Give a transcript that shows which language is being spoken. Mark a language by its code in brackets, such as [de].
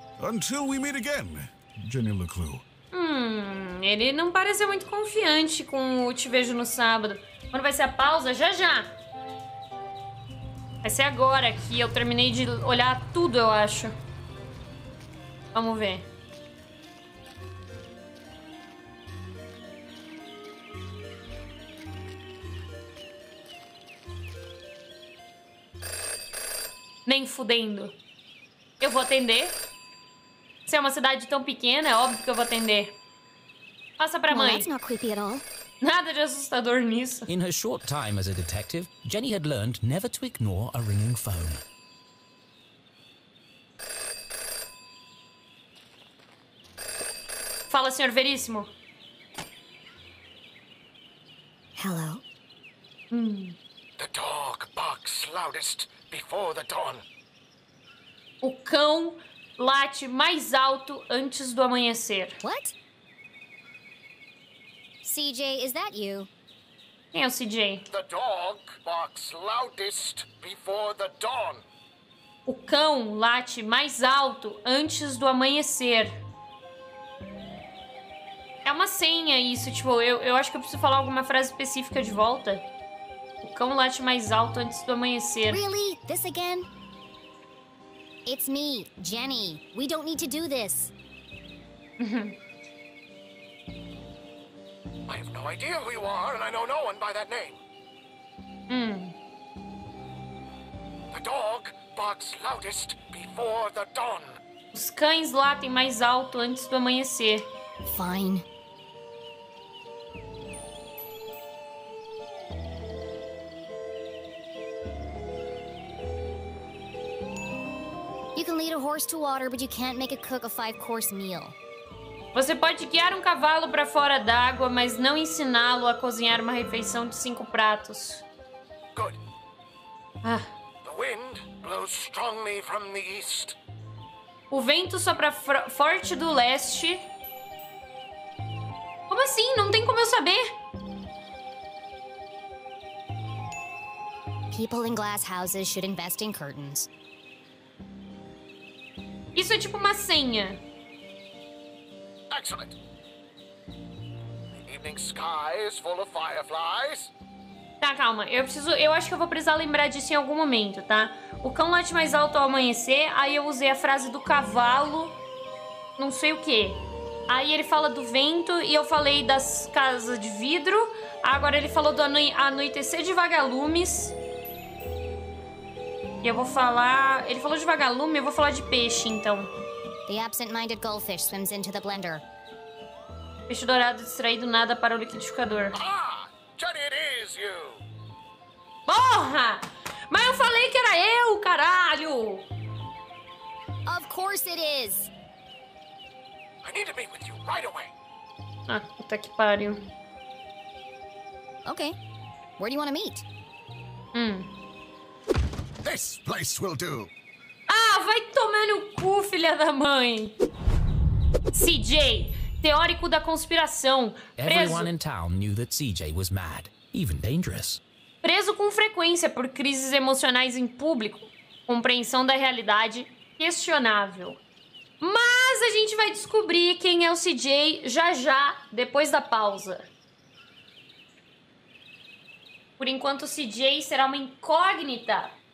[en] Until we meet again, Jenny LeClue. [pt] Ele não pareceu muito confiante com o Te Vejo no Sábado. Quando vai ser a pausa? Já, já. Vai ser agora que eu terminei de olhar tudo, eu acho. Vamos ver. Nem fudendo. Eu vou atender. Se é uma cidade tão pequena, é óbvio que eu vou atender. Passa pra mãe. [en] Well, that's not creepy at all. [pt] Nada de assustador nisso. [en] In her short time as a detective, Jenny had learned never to ignore a ringing phone. [pt] Fala, senhor Veríssimo. [en] Hello. The dog barks loudest before the dawn. [pt] O cão late mais alto antes do amanhecer. [en] What? CJ, is that you? [pt] Quem é o CJ? [en] The dog barks loudest before the dawn. [pt] O cão late mais alto antes do amanhecer. É uma senha isso, tipo, eu acho que eu preciso falar alguma frase específica de volta. O cão late mais alto antes do amanhecer. [en] Really? This again? It's me, Jenny. We don't need to do this. I have no idea who you are, and I know no one by that name. The dog barks loudest before the dawn. [pt] Os cães latem mais alto antes do amanhecer. [en] Fine. You can lead a horse to water, but you can't make it cook a five-course meal. [pt] Você pode guiar um cavalo para fora d'água, mas não ensiná-lo a cozinhar uma refeição de 5 pratos. [en] Good. Ah. The wind blows strongly from the east. [pt] O vento sopra forte do leste. Como assim? Não tem como eu saber. [en] People in glass houses should invest in curtains. [pt] Isso é tipo uma senha. [en] Excellent. The evening sky is full of fireflies. [pt] Tá, calma. Eu acho que eu vou precisar lembrar disso em algum momento, tá? O cão late mais alto ao amanhecer, aí eu usei a frase do cavalo, não sei o quê. Aí ele fala do vento e eu falei das casas de vidro. Agora ele falou do anoitecer de vagalumes. E eu vou falar... Ele falou de vagalume, eu vou falar de peixe, então. [en] The absent-minded goldfish swims into the blender. [pt] Peixe dourado distraído nada para o liquidificador. [en] Ah! Jenny, it is you! [pt] Porra! Mas eu falei que era eu, caralho! [en] Of course it is! I need to meet with you right away! Ah, puta que pariu. Okay. Where do you want to meet? This place will do. [pt] Ah, vai tomar no cu, filha da mãe. CJ, teórico da conspiração, preso. [en] Everyone in town knew that CJ was mad, even dangerous. [pt] Preso com frequência por crises emocionais em público, compreensão da realidade questionável. Mas a gente vai descobrir quem é o CJ já já, depois da pausa. Por enquanto, o CJ será uma incógnita.